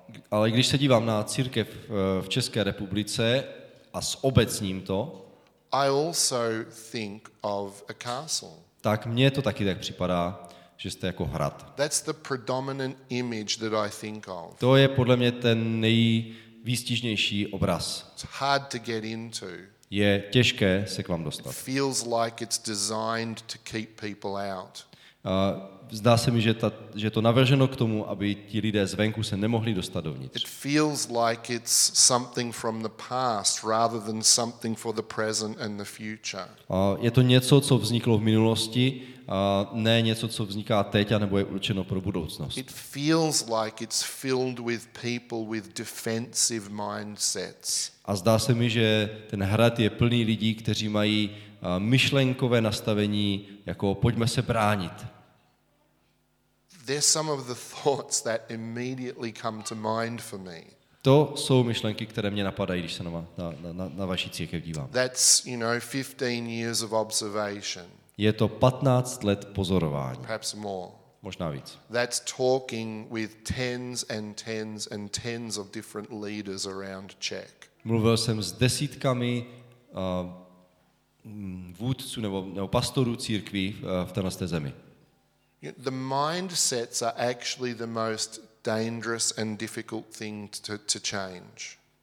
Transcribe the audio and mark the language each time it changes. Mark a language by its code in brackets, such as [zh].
[cs] Ale když se dívám na církev v České republice a zobecním to, [en] I also think of a castle. [cs] Tak mně to taky tak připadá, že jste jako hrad. [en] That's the predominant image that I think of. [cs] To je podle mě ten nejvýstižnější obraz. [en] It's hard to get into. [cs] Je těžké se k vám dostat. [en] It feels like it's designed to keep people out. [cs] Zdá se mi, že je to navrženo k tomu, aby ti lidé zvenku se nemohli dostat dovnitř. [en] It feels like it's something from the past rather than something for the present and the future. [cs] Je to něco, co vzniklo v minulosti, ne něco, co vzniká teď a nebo je určeno pro budoucnost. [en] It feels like it's filled with people with defensive mindsets. [cs] A zdá se mi, že ten hrad je plný lidí, kteří mají myšlenkové nastavení jako pojďme se bránit. [en] There are some of the thoughts that immediately come to mind for me. [cs] To jsou myšlenky, které mě napadají, když se na vaši církev dívám. [en] That's, you know, 15 years of observation. [cs] Je to 15 let pozorování. [en] Perhaps more. [cs] Možná víc. [en] That's talking with tens and tens and tens of different leaders around Czech. [cs] Mluvil jsem s desítkami vůdců nebo pastorů církví v téhle zemi. [en] The mindsets are actually the most dangerous and difficult thing to change.